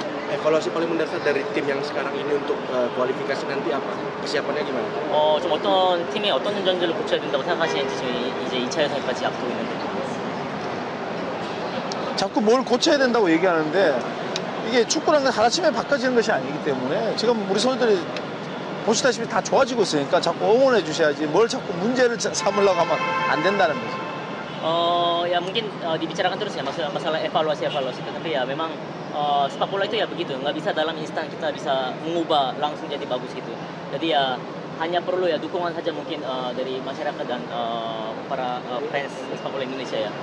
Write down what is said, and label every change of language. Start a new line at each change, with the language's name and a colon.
Indonesian: Evaluasi paling mendasar dari tim yang sekarang ini untuk kualifikasi nanti apa? Persiapannya gimana?
Korean: Jom, 어떤 팀이 어떤 전술을 고쳐야 된다고 생각하시는지 이제 2차 예선까지 앞두고 있는데. 자꾸 뭘 고쳐야 된다고 얘기하는데 이게 축구라는 건 하루아침에 바뀌는 것이 아니기 때문에 지금 우리 선수들이 보시다시피 다 좋아지고 있으니까 자꾸 응원해 주셔야지 뭘 자꾸 문제를 삼으려고 하면 안 된다는 거죠.
Indonesian: Ya mungkin dibicarakan terus ya masalah evaluasi, tapi ya memang sepak bola itu ya begitu, nggak bisa dalam instan kita bisa mengubah langsung jadi bagus gitu. Jadi ya hanya perlu ya dukungan saja mungkin dari masyarakat dan para fans sepak bola Indonesia ya.